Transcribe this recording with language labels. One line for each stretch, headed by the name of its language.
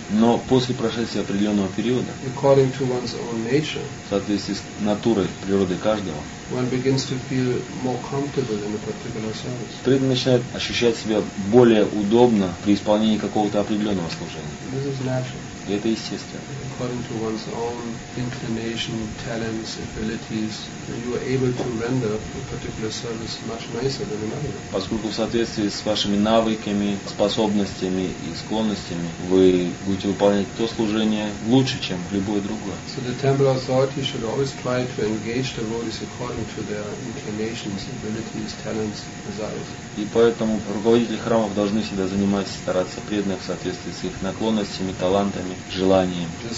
Russian: но после прошествия определенного периода,
English: according to one's own nature,
Russian: в соответствии с натурой природы каждого,
English: one begins to feel more comfortable in a particular service.
Russian: Преданный начинает ощущать себя более удобно при исполнении какого-то определенного служения.
English: This is natural.
Russian: И это естественно.
English: According to one's own inclination, talents, abilities, you are able to render a particular service much nicer than another.
Russian: Поскольку в соответствии с вашими навыками, способностями и склонностями вы будете выполнять то служение лучше, чем любое другое.
English: So the temple authority should always try to engage the devotees according to their inclinations, abilities, talents, desires.
Russian: И поэтому руководители храмов должны всегда заниматься, стараться преданных в соответствии с их наклонностями, талантами, желаниями.